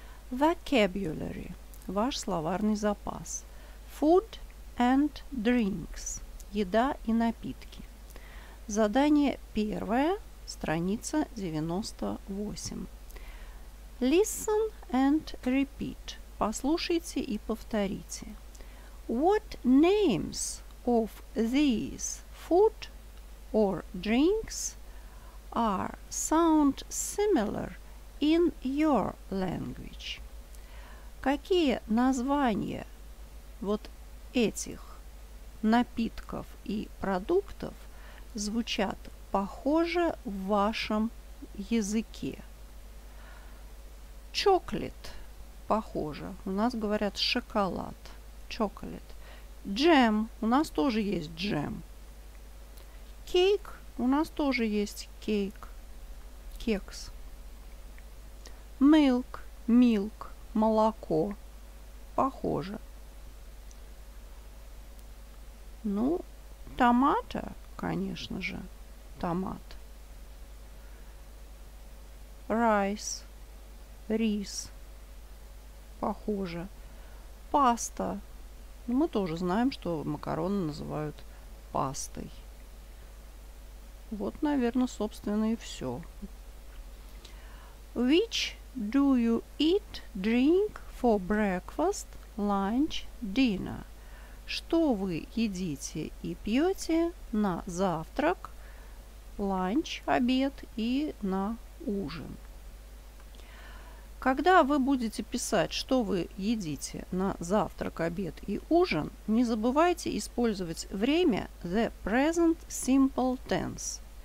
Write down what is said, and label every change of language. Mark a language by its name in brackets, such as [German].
[English] Vocabulary. [Russian] Ваш словарный запас. [English] Food and drinks. [Russian] Еда и напитки. Задание первое, страница 98. [English] Listen and repeat. [Russian] Послушайте и повторите. [English] What names of these food or drinks are sound similar in your language? [Russian] Какие названия вот этих напитков и продуктов звучат похоже в вашем языке? Чоколад похоже. У нас говорят шоколад. Чоколад. Джем. У нас тоже есть джем. Кейк. У нас тоже есть кейк, кекс. [English] Milk, milk, [Russian] молоко. Похоже. Ну, томата, конечно же, томат. Rice, рис. Похоже. Паста. Мы тоже знаем, что макароны называют пастой. Вот, наверное, собственно, и все. [English] Which do you eat, drink for breakfast, lunch, dinner? [Russian] Что вы едите и пьете на завтрак, ланч, обед и на ужин? Когда вы будете писать, что вы едите на завтрак, обед и ужин, не забывайте использовать время [English] the present simple tense.